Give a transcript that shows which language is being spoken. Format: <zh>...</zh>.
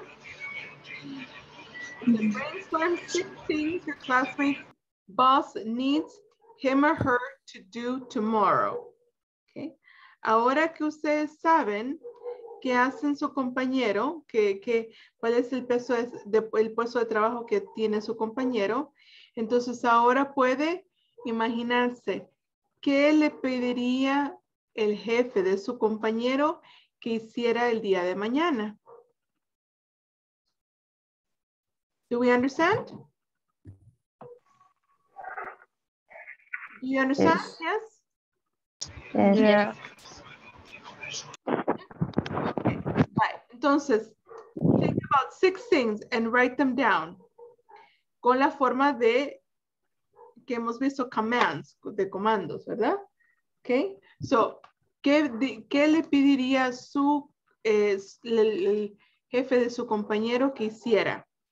<en>Mm-hmm. The brainstorm 16, the classmate boss needs him or her to do tomorrow. Okay.</en> <es>Ahora que ustedes saben qué hacen su compañero, cuál es el peso el puesto de trabajo que tiene su compañero, entonces ahora puede imaginarse qué le pediría el jefe de su compañero que hiciera el día de mañana.</es> <en>Do we understand? Do you understand? Yes. Yes. Entonces, think about six things and write them down.</en> <es>Con la forma de que hemos visto commands, de comandos, ¿verdad? Okay. So, ¿qué le pediría su el jefe de su compañero que hiciera?</es>